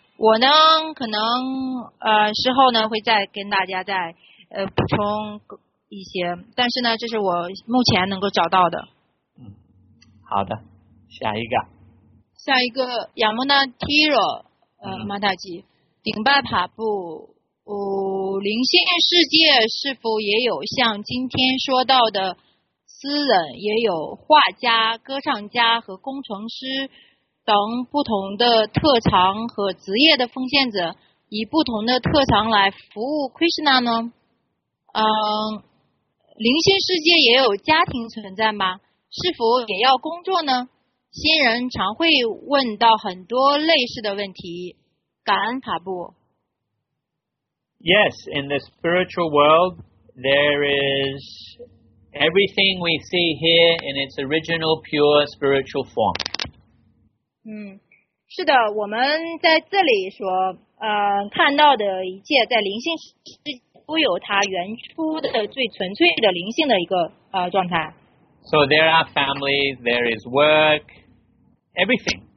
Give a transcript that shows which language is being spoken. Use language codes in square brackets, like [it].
[zh] 我呢，可能事后呢会再跟大家再补充。一些，但是呢，这是我目前能够找到的。好的，下一个。下一个，亚莫那提罗，马塔吉，顶拜帕布，灵性世界是否也有像今天说到的私人，也有画家、歌唱家和工程师等不同的特长和职业的奉献者，以不同的特长来服务 Krishna 呢？灵性世界也有家庭存在吗？是否也要工作呢？新人常会问到很多类似的问题。感恩卡布。 [en] Yes, in the spiritual world, there is everything we see here in its original pure spiritual form. [zh] 是的，我们在这里所看到的一切在灵性世界。都有它原初的最纯粹的灵性的一个状态。 [en] So there are families, there is work, everything.